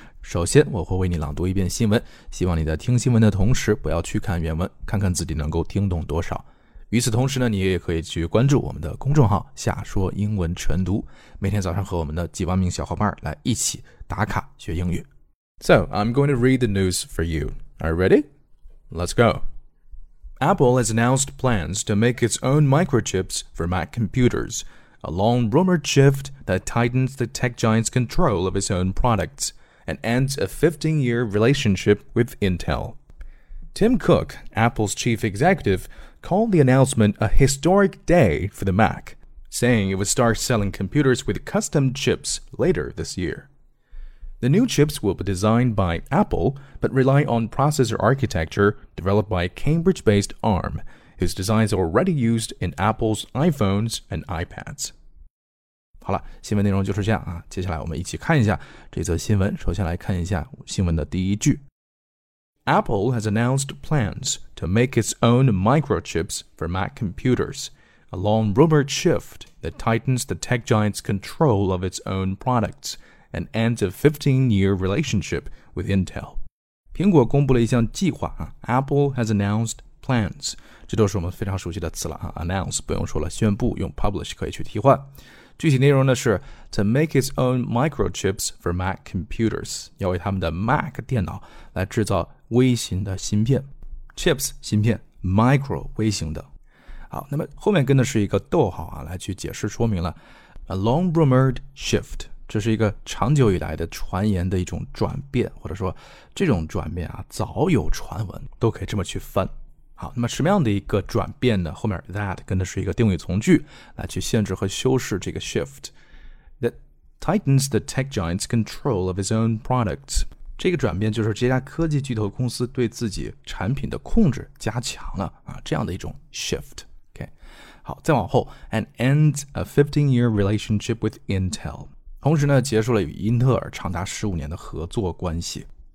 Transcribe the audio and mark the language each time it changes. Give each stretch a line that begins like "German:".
Chinese: 首先我会为你朗读一遍新闻，希望你在听新闻的同时不要去看原文，看看自己能够听懂多少。与此同时呢，你也可以去关注我们的公众号夏说英文晨读，每天早上和我们的几万名小伙伴来一起打卡学英语。
English: So I'm going to read the news for youAre you ready? Let's go. Apple has announced plans to make its own microchips for Mac computers, a long-rumored shift that tightens the tech giant's control of its own products and ends a 15-year relationship with Intel. Tim Cook, Apple's chief executive, called the announcement a historic day for the Mac, saying it would start selling computers with custom chips later this year. The new chips will be designed by Apple, but rely on processor architecture developed by Cambridge-based ARM, whose designs are already used in Apple's iPhones and iPads.
Chinese: 好了，新闻内容就是这样啊。接下来我们一起看一下这则新闻。首先来看一下新闻的第一句。
English: Apple has announced plans to make its own microchips for Mac computers, a long-rumored shift that tightens the tech giant's control of its own products,and ends a 15-year relationship with Intel.
Chinese: 苹果公布了一项计划啊，
English: Apple has announced plans.
Chinese: 这都是我们非常熟悉的词了啊， announce 不用说了，宣布用 publish 可以去替换。具体内容呢是
English: to make its own microchips for Mac computers，
Chinese: 要为他们的 Mac 电脑来制造微型的芯片。 chips 芯片 ，micro 微型的。好，那么后面跟的是一个逗号啊，来去解释说明了
English: a long rumored shift。
Chinese: 这是一个长久以来的传言的一种转变，或者说这种转变啊，早有传闻，都可以这么去翻。好，那么什么样的一个转变呢？后面 that 跟的是一个定语从句，来去限制和修饰这个 shift。
English: That tightens the tech giant's control of his own products。
Chinese: 这个转变就是这家科技巨头公司对自己产品的控制加强了啊，这样的一种 shift。
English: OK，
Chinese: 好，再往后
English: ，and ends a 15-year relationship with Intel。
Chinese: 同时呢结束了与英特尔长达15年的合作关系。